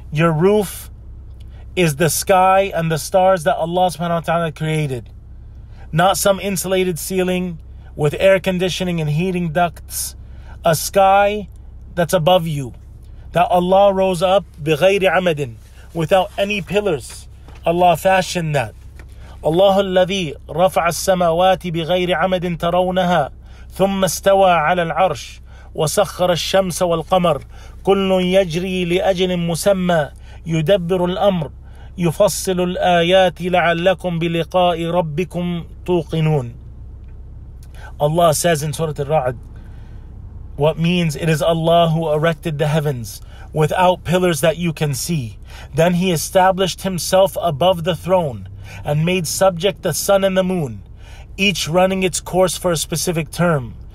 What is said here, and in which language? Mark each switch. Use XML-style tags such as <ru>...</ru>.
<en>Your roof is the sky and the stars that Allah subhanahu wa ta'ala created. Not some insulated ceiling with air conditioning and heating ducts. A sky that's above you, that Allah rose up,</en> <ar>بِغَيْرِ عَمَدٍ,</ar> <en>without any pillars. Allah fashioned that.</en> <ar>Allah الذي رفع السماوات بغير عمد ترونها ثم استوى على العرش وسخر الشمس والقمر كل يجري لأجل مسمى يدبر الأمر يفصل الآيات لعلكم بلقاء ربكم توقنون.</ar> <en>Allah says in Surah Al-Ra'd, what means it is Allah who erected the heavens without pillars that you can see. Then he established himself above the throne and made subject the sun and the moon, each running its course for a specific term.</en>